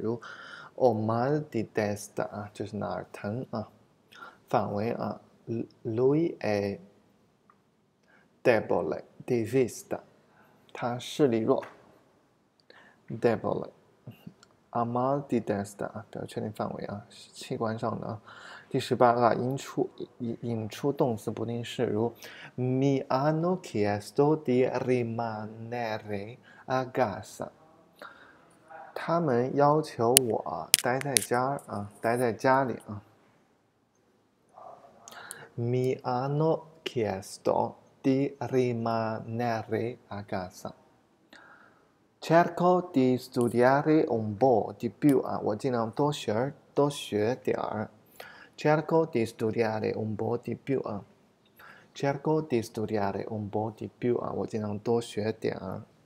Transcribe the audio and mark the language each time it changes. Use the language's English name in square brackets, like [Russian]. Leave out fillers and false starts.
[Chinese] 如 [Italian] ho mal di testa [Chinese] 啊，就是哪儿疼啊，范围啊。 [Italian] Lui è debole di vista， [Chinese] 他视力弱。 [Italian] Debole。 A mal di testa [Chinese] 啊，表确定范围啊，器官上的啊。第18个引出动词不定式，如 [Italian] mi hanno chiesto di rimanere a casa， [Chinese] 他们要求我待在家啊，待在家里啊。 [Italian] mi hanno chiesto di rimanere a casa。 Cerco di studiare un po' di più 啊， [Chinese] 我尽量多学点儿。 [Italian] Cerco di studiare un po' di più 啊，Cerco di studiare un po' di più 啊， [Chinese] 我尽量多学点儿。